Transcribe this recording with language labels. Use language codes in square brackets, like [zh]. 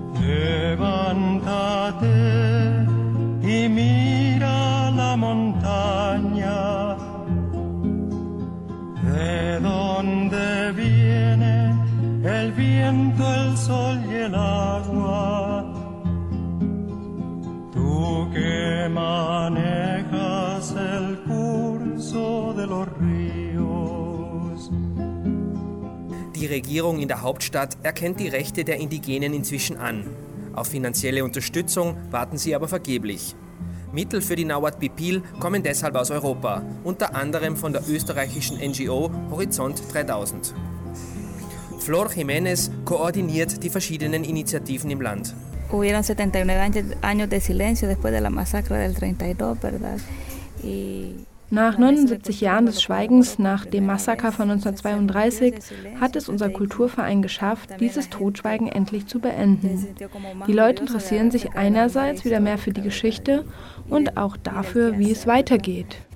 [es] Levántate y mira la montaña, de donde viene el viento, el sol y el agua. Tú que manejas el curso de los ríos. [de] Die Regierung in der Hauptstadt erkennt die Rechte der Indigenen inzwischen an. Auf finanzielle Unterstützung warten sie aber vergeblich. Mittel für die Nahuatl Pipil kommen deshalb aus Europa, unter anderem von der österreichischen NGO Horizont 3000. Flor Jiménez koordiniert die verschiedenen Initiativen im Land. [es] Hubieron 79 años de silencio después de la masacre del 32, ¿verdad? [de] Nach 79 Jahren des Schweigens, nach dem Massaker von 1932, hat es unser Kulturverein geschafft, dieses Totschweigen endlich zu beenden. Die Leute interessieren sich einerseits wieder mehr für die Geschichte und auch dafür, wie es weitergeht.